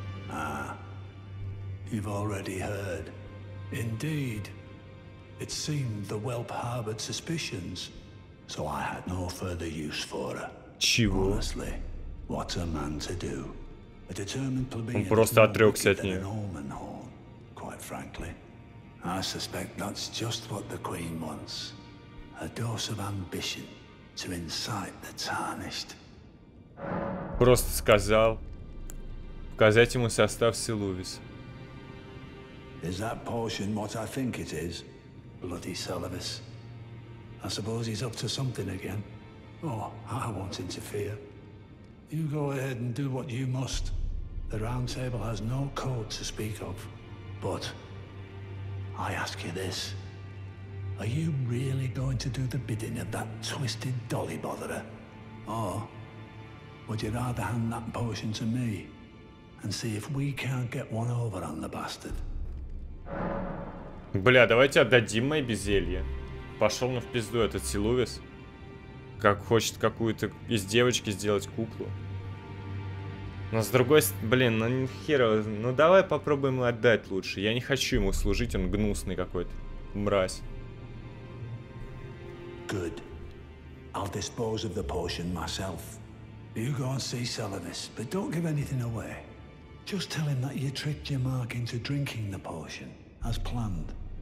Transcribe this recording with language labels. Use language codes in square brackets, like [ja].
[en] Ah, you've already heard. Indeed, it seemed the whelp harbored suspicions, so I had no further use for her. [ru] Чего? [en] Honestly, what's a man to do? A determined plebeian... [ru] Он просто отрёкся от неё. [en] Norman horn, quite frankly. I suspect that's just what the Queen wants. A dose of ambition to incite the tarnished. [ru] Просто сказал показать ему состав Силувиса. [en] Is that portion what I think it is? Bloody Celibus. I suppose he's up to something again. Oh, I won't interfere. You go ahead and do what you must. The round table has no code to speak of. But I ask you this. Are you really going to do the bidding of that twisted dolly botherer? Or would you rather hand that potion to me and see if we can't get one over on the bastard? [ru] Бля, давайте отдадим мои безелья. Пошел на в пизду этот Силувис. Как хочет какую-то из девочки сделать куклу. Но с другой стороны, блин, ну херово, ну давай попробуем отдать лучше. Я не хочу ему служить, он гнусный какой-то. Мразь. [en] Good. I'll dispose of the potion myself. You go and see Celibus, but don't give anything away. Just tell him that you tricked your mark into drinking the potion, as planned.